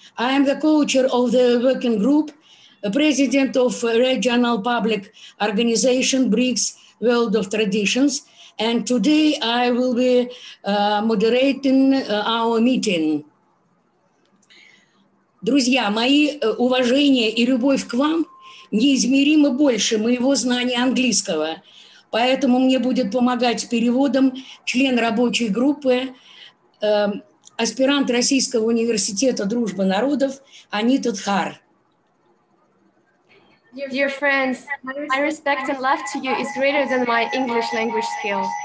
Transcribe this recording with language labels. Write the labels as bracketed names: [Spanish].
[English] I am the co-chair of the working group, president of regional public organization BRICS World of Traditions, and today I will be moderating our meeting. [Russian] Друзья, мои уважение и любовь к вам неизмеримо больше моего знания английского. Поэтому мне будет помогать с переводом член рабочей группы, аспирант Российского университета дружбы народов Анита Тхар. [English] Dear friends, my respect and love to you is greater than my English language skill.